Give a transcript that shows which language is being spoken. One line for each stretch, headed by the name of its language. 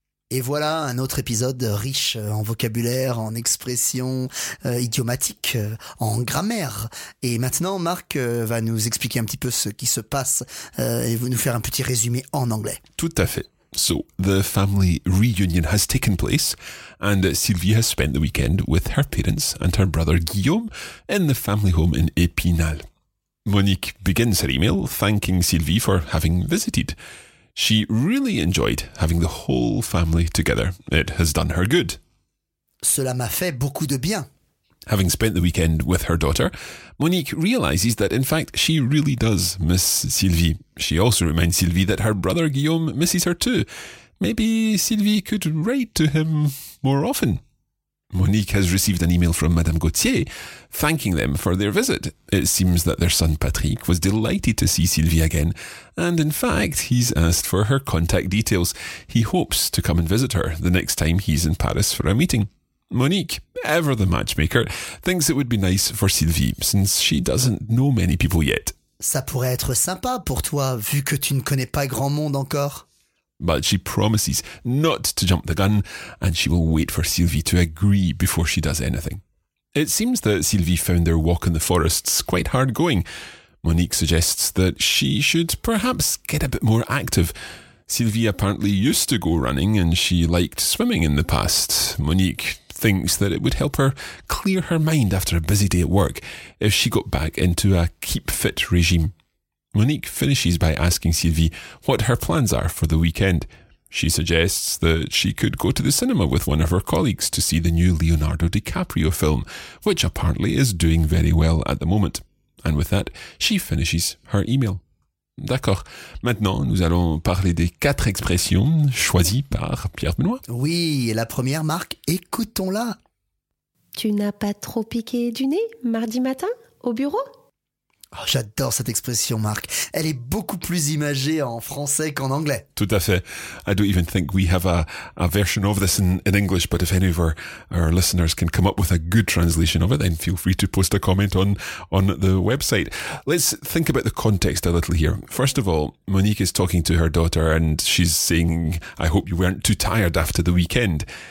French: Et voilà un autre épisode riche en vocabulaire, en expressions idiomatiques, en grammaire. Et maintenant, Marc va nous expliquer un petit peu ce qui se passe et nous faire un petit résumé en anglais. Tout à fait.
English: So, the family reunion has taken place and Sylvie has spent the weekend with her parents and her brother Guillaume in the family home in Épinal. Monique begins her email thanking Sylvie for having visited. She really enjoyed having the whole family together. It has done her good.
French: Cela m'a fait beaucoup de bien.
English: Having spent the weekend with her daughter, Monique realizes that in fact she really does miss Sylvie. She also reminds Sylvie that her brother Guillaume misses her too. Maybe Sylvie could write to him more often. Monique has received an email from Madame Gauthier thanking them for their visit. It seems that their son Patrick was delighted to see Sylvie again, and in fact, he's asked for her contact details. He hopes to come and visit her the next time he's in Paris for a meeting. Monique, ever the matchmaker, thinks it would be nice for Sylvie, since she doesn't know many people yet.
French: Ça pourrait être sympa pour toi, vu que tu ne connais pas grand monde encore.
English: But she promises not to jump the gun, and she will wait for Sylvie to agree before she does anything. It seems that Sylvie found their walk in the forests quite hard going. Monique suggests that she should perhaps get a bit more active. Sylvie apparently used to go running, and she liked swimming in the past. Monique thinks that it would help her clear her mind after a busy day at work if she got back into a keep fit regime. Monique finishes by asking Sylvie what her plans are for the weekend. She suggests that she could go to the cinema with one of her colleagues to see the new Leonardo DiCaprio film, which apparently is doing very well at the moment. And with that, she finishes her email.
French: D'accord. Maintenant, nous allons parler des quatre expressions choisies par Pierre Benoît. Oui, la première, Marc, écoutons-la. Tu n'as pas trop piqué du nez mardi matin au bureau ? Oh, j'adore cette expression, Marc. Elle est beaucoup plus imagée en français qu'en anglais. Tout à fait.
English: I don't even think we have a version of this in English, but if any of our listeners can come up with a good translation of it, then feel free to post a comment on the website. Let's think about the context a little here. First of all, Monique is talking to her daughter and she's saying, I hope you weren't too tired after the weekend.